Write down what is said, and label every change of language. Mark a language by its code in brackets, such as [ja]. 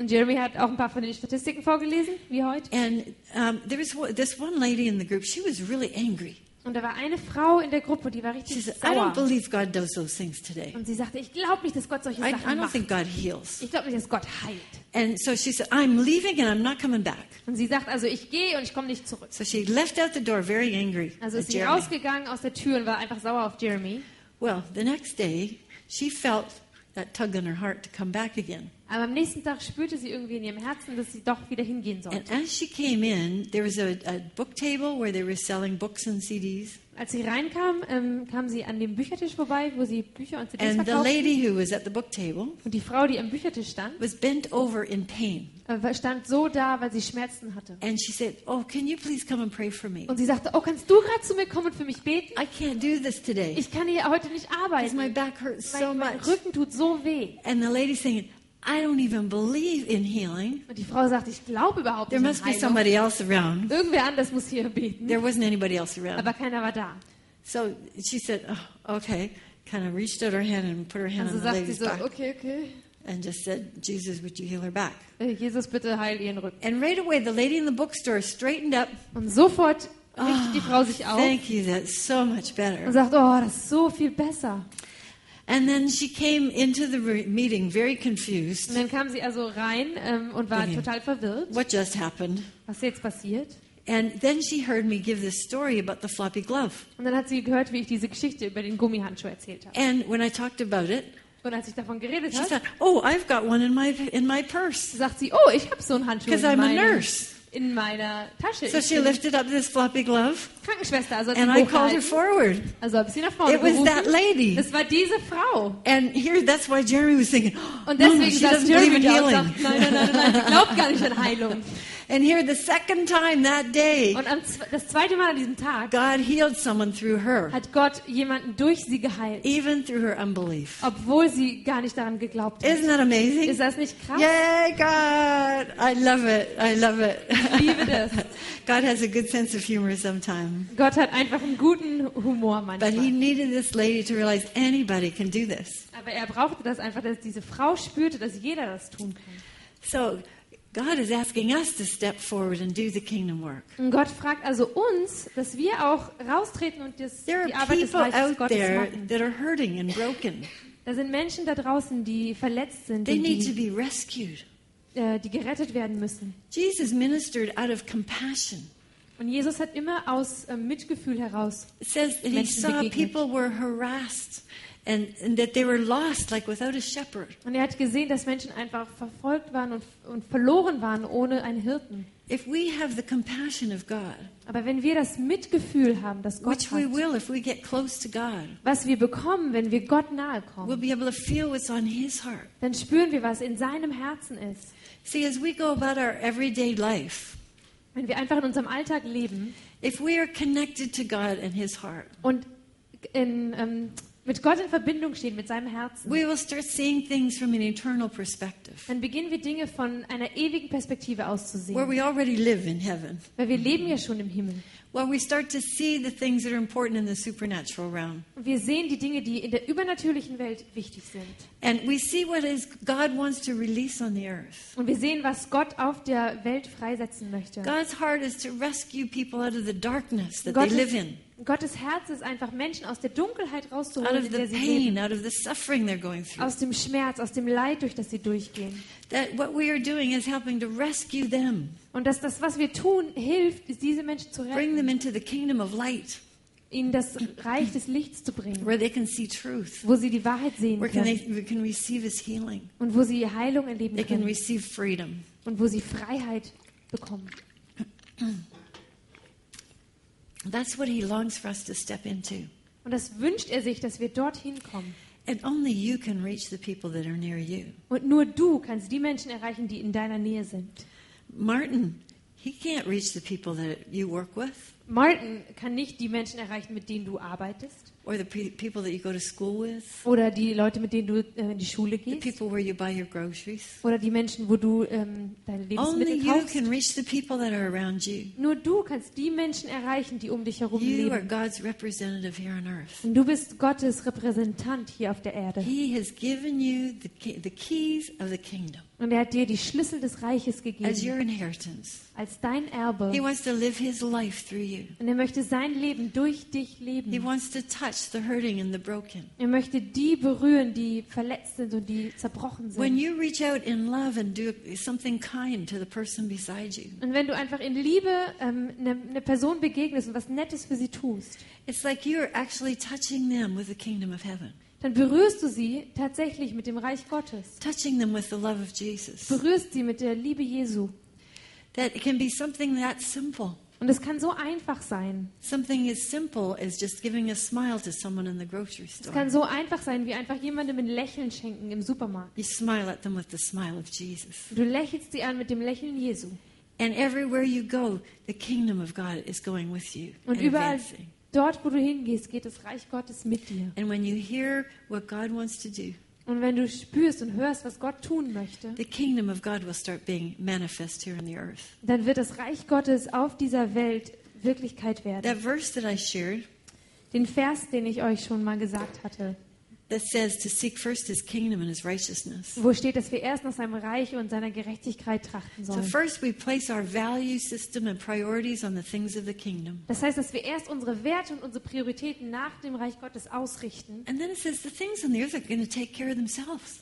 [de] Und Jeremy hat auch ein paar von den Statistiken vorgelesen, wie heute. [en] And there was this one lady in the group, she was really angry. [de] Und da war eine Frau in der Gruppe, die war richtig sauer. [en] She said, I don't believe God does those things today. [de] Und sie sagte, ich glaube nicht, dass Gott solche Sachen macht. [en] I don't think God heals. [de] Ich glaube nicht, dass Gott heilt. [en] And so she said, I'm leaving and I'm not coming back. [de] Und sie sagt also, ich gehe und ich komme nicht zurück. [en] So she left out the door very angry. [de] Also ist sie rausgegangen aus der Tür und war einfach sauer auf Jeremy. [en] Well, the next day she felt that tug on her heart to come back again. [de] Aber am nächsten Tag spürte sie irgendwie in ihrem Herzen, dass sie doch wieder hingehen sollte. [en] And as she came in, there was a book table where they were selling books and CDs. [de] Als sie reinkam, kam sie an dem Büchertisch vorbei, wo sie Bücher und CDs [en] and [de] verkauften. [en] The lady who was at the book table, [de] und die Frau, die am Büchertisch stand, [en] was bent over in pain. [de] Stand so da, weil sie Schmerzen hatte. [en] And she said, oh, can you please come and pray for me? [de] Und sie sagte, oh, kannst du gerade zu mir kommen und für mich beten? [en] I can't do this today. [de] Ich kann hier heute nicht arbeiten. [en] My back hurts so [de] mein [en] much. [de] Rücken tut so weh. [en] And the lady saying, I don't even believe in healing. [de] Und die Frau sagt, ich glaube überhaupt [en] there [de] nicht [en] must [de] an Heilung. [en] Be somebody else around. [de] Irgendwer anders muss hier beten. [en] There wasn't anybody else around. [de] Aber keiner war da. [en] So she said, oh, okay, kind of reached out her hand and put her hand [de] also [en] on the lady's [de] so, [en] back. Okay, okay. And just said, Jesus, would you heal her back? [de] Jesus, bitte heil ihren Rücken. [en] And right away the lady in the bookstore straightened up. [de] Und sofort richtet die Frau sich auf. [en] Thank you, that's so much better. [de] Und sagt, oh, das ist so viel besser. [en] And then she came into the meeting very confused. [de] Und dann kam sie also rein und war total verwirrt. [en] What just happened? [de] Was ist jetzt passiert? [en] And then she heard me give this story about the floppy glove. [de] Und dann hat sie gehört, wie ich diese Geschichte über den Gummihandschuh erzählt habe. [en] And when I talked about it, [de] und als ich davon geredet [en] she [de] hat, [en] said, "Oh, I've got one in my purse." [de] Sagt sie, "Oh, ich habe so einen Handschuh in meinem." [en] Because I'm a nurse. [de] In meiner Tasche. [en] So she lifted up this floppy glove. [de] Krankenschwester, also [en] and I called her forward. [de] Also habe sie nach vorne gerufen. [en] It was that lady. [de] Es war diese Frau. [en] And here, that's why Jeremy was thinking. [de] Und deswegen [en] no, she [de] saß [en] doesn't believe in healing. [de] Sagt, nein, sie glaubt gar nicht an Heilung. [en] And here, the second time that day. [de] Und das zweite Mal an diesem Tag. [en] God healed someone through her. [de] Hat Gott jemanden durch sie geheilt. [en] Even through her unbelief. [de] Obwohl sie gar nicht daran geglaubt hat. [en] Isn't that amazing? [de] Ist das nicht krass? [en] Yay, God! I love it. I love it. [de] Ich liebe das. [en] God has a good sense of humor sometimes. [de] Gott hat einfach einen guten Humor manchmal. [en] But he needed this lady to realize anybody can do this. [de] Aber er brauchte das einfach, dass diese Frau spürte, dass jeder das tun kann. [en] So. God is asking us to step forward and do the kingdom work. [de] Und Gott fragt also uns, dass wir auch raustreten und das die Arbeit des Reiches Gottes machen. [en] There are people out there that are hurting and broken. [de] Da sind Menschen da draußen, die verletzt sind. [en] They need to be rescued. [de] Die gerettet werden müssen. [en] Jesus ministered out of compassion. [de] Und Jesus hat immer aus Mitgefühl heraus. [en] It says that he saw people were harassed. And that they were lost, like without a shepherd. [de] Und er hat gesehen, dass Menschen einfach verfolgt waren und verloren waren ohne einen Hirten. [en] If we have the compassion of God, [de] aber wenn wir das Mitgefühl haben, das Gott [en] which we [de] hat, [en] will if we get close to God, [de] was wir bekommen, wenn wir Gott nahe kommen, [en] we'll be able to feel what's on his heart. [de] Dann spüren wir, was in seinem Herzen ist. [en] See, as we go about our everyday life, [de] wenn wir einfach in unserem Alltag leben, [en] if we are connected to God and his heart, [de] und in mit Gott in Verbindung stehen, mit seinem Herzen. [en] We will start seeing things from an eternal perspective. [de] Dann beginnen wir Dinge von einer ewigen Perspektive auszusehen. [en] Where we already live in heaven. [de] Weil wir leben ja schon im Himmel. [en] Where we start to see the things that are important in the supernatural realm. [de] Wir sehen die Dinge, die in der übernatürlichen Welt wichtig sind. [en] And we see what is God wants to release on the earth. [de] Und wir sehen, was Gott auf der Welt freisetzen möchte. [en] God's heart is to rescue people out of the darkness that they live in. [de] Gottes Herz ist einfach, Menschen aus der Dunkelheit rauszuholen, [en] out of the pain, out of the suffering they're going through. [de] Aus dem Schmerz, aus dem Leid, durch das sie durchgehen. [en] That what we are doing is helping to rescue them. [de] Und dass das, was wir tun, hilft, diese Menschen zu retten. [en] Bring them into the kingdom of light. [de] Ihnen das Reich des Lichts zu bringen. [en] Where they can see truth. [de] Wo sie die Wahrheit sehen [en] where [de] können. [en] Where can receive his healing. [de] Und wo sie Heilung erleben [en] they [de] können. [en] They can receive freedom. [de] Und wo sie Freiheit bekommen. [en] That's what he longs for us to step into. [de] Und das wünscht er sich, dass wir dorthin kommen. [en] And only you can reach the people that are near you. [de] Und nur du kannst die Menschen erreichen, die in deiner Nähe sind. [en] Martin, he can't reach the people that you work with. [de] Martin kann nicht die Menschen erreichen, mit denen du arbeitest. [en] Or the people that you go to school with. [de] Oder die Leute, mit denen du in die Schule gehst. [en] The people where you buy your groceries. [de] Oder die Menschen, wo du deine Lebensmittel [en] only [de] kaufst. [en] You can reach the people that are around you. [de] Nur du kannst die Menschen erreichen, die um dich herum [en] you [de] leben. [en] Are God's representative here on earth. [de] Und du bist Gottes Repräsentant hier auf der Erde. [en] He has given you the keys of the kingdom. [de] Und er hat dir die Schlüssel des Reiches gegeben. [en] As your inheritance. [de] Als dein Erbe. [en] He wants to live his life through you. [de] Und er möchte sein Leben durch dich leben. [en] He wants to touch the hurting and the broken. [de] Er möchte die berühren, die verletzt sind und die zerbrochen sind. [en] When you reach out in love and do something kind to the person beside you. [de] Und wenn du einfach in Liebe eine Person begegnest und was Nettes für sie tust. [en] It's like you're actually touching them with the kingdom of heaven. [de] Dann berührst du sie tatsächlich mit dem Reich Gottes. [en] Touching them with the love of Jesus. [de] Berührst sie mit der Liebe Jesu. [en] That can be something that simple. [de] Und es kann so einfach sein. [en] Something as simple as just giving a smile to someone in the grocery store. [de] Es kann so einfach sein, wie einfach jemandem ein Lächeln schenken im Supermarkt. [en] You smile at them with the smile of Jesus. [de] Du lächelst sie an mit dem Lächeln Jesu. [en] And everywhere you go, the kingdom of God is going with you. [de] Und überall dort, wo du hingehst, geht das Reich Gottes mit dir. [en] And when you hear what God wants to do, [de] und wenn du spürst und hörst, was Gott tun möchte, [en] the kingdom of God will start being manifest here on the earth. [de] Dann wird das Reich Gottes auf dieser Welt Wirklichkeit werden. [en] That verse that I shared, [de] den Vers, den ich euch schon mal gesagt hatte, [en] that says to seek first his kingdom and his righteousness. [de] Wo steht, dass wir erst nach seinem Reich und seiner Gerechtigkeit trachten sollen? [en] So first we place our value system and priorities on the things of the kingdom. [de] Das heißt, dass wir erst unsere Werte und unsere Prioritäten nach dem Reich Gottes ausrichten. [en] And then it says the things on the earth are going to take care of themselves.